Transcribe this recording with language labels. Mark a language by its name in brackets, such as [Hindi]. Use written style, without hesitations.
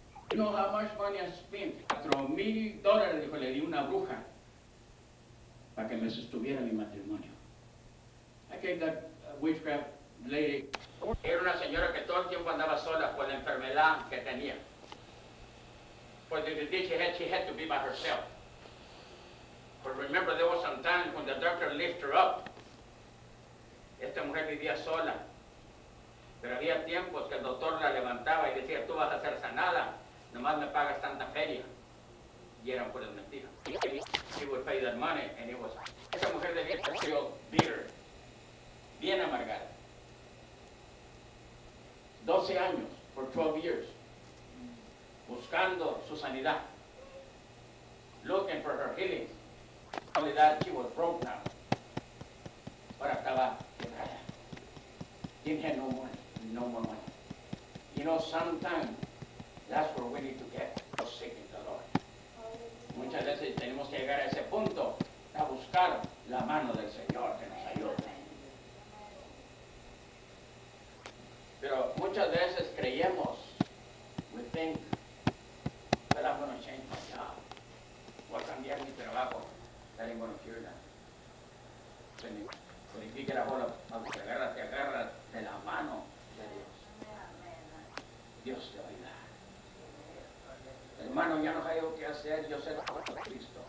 [English] You know how much money I spent? [Spanish] $4,000, dijo, le di una bruja para que me sostuviera mi matrimonio. [English] I gave that witchcraft lady. [Spanish] Era una señora que todo el tiempo andaba sola por la enfermedad que tenía. [English] For the disease she had to be by herself. But remember, there was some time when the doctor lifted her up. [Spanish] Esta mujer vivía sola. Pero había tiempos que el doctor la levantaba y decía, tú vas a ser sanada, nomás me pagas tanta feria. Y eran puras mentiras. [English] She would pay that money and it was... [Spanish] Esta mujer debía ser [English] bitter. [Spanish] bien amargada. 12 años, [English] for 12 years, [Spanish] buscando su sanidad. [English] Looking for her healing. Only that she was broke now. [Spanish] Pero estaba quebrada. [English] Didn't have no money, no more money. You know, sometimes that's where we need to get sick in the Lord. [Spanish] Muchas veces tenemos que llegar a ese punto a buscar la mano del Señor que nos ayude. Pero muchas veces creemos, [English] we think that I'm going to change my job. [Spanish] Voy a cambiar mi trabajo. [English] That I'm going to cure that. [Spanish] Pero en que la bola, te agarra de la mano de Dios. Dios te oiga. Hermano, ya no hay algo que hacer, yo sé lo que es Cristo.